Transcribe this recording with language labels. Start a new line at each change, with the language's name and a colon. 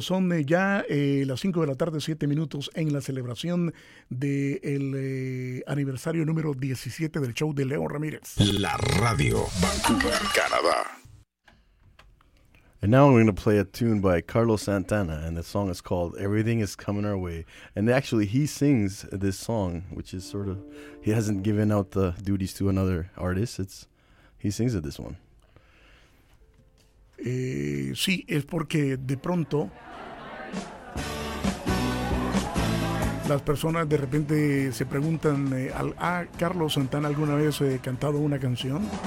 Spanish: Son ya las 5 de la tarde, 7 minutos en la celebración del aniversario número 17 del show de Leo Ramírez. La radio Vancouver, Canadá.
English: And now I'm going to play a tune by Carlos Santana, and the song is called Everything Is Coming Our Way. And actually, he sings this song, which is sort of, he hasn't given out the duties to another artist. He sings it, this one.
Spanish: Sí, es porque de pronto las personas de repente se preguntan, Carlos Santana alguna vez ha cantado una canción?